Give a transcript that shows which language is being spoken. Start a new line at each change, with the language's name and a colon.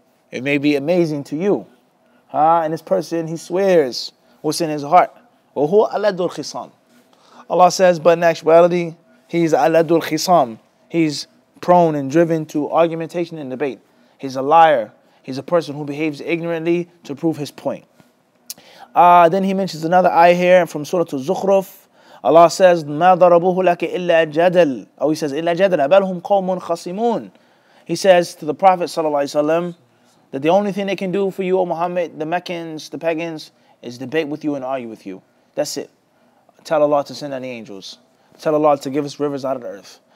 English: It may be amazing to you. And this person, he swears what's in his heart.
Arabic: وَهُوَ أَلَدُّ الْخِصَامِ.
English: Allah says, but in actuality, he's
Arabic: أَلَدُّ الْخِصَامِ.
English: He's prone and driven to argumentation and debate. He's a liar. He's a person who behaves ignorantly to prove his point. Then he mentions another ayah here from Surah Al-Zukhruf. Allah says,
Arabic: مَا ضَرَبُهُ لَكَ إِلَّا جَدَلٌ.
English: Oh, he says,
Arabic: إِلَّا جَدَلَ بَلْهُمْ قَوْمٌ خَصِمُونَ.
English: He says to the Prophet ﷺ that the only thing they can do for you, O Muhammad, the Meccans, the pagans, is debate with you and argue with you. That's it. Tell Allah to send down the angels. Tell Allah to give us rivers out of the earth.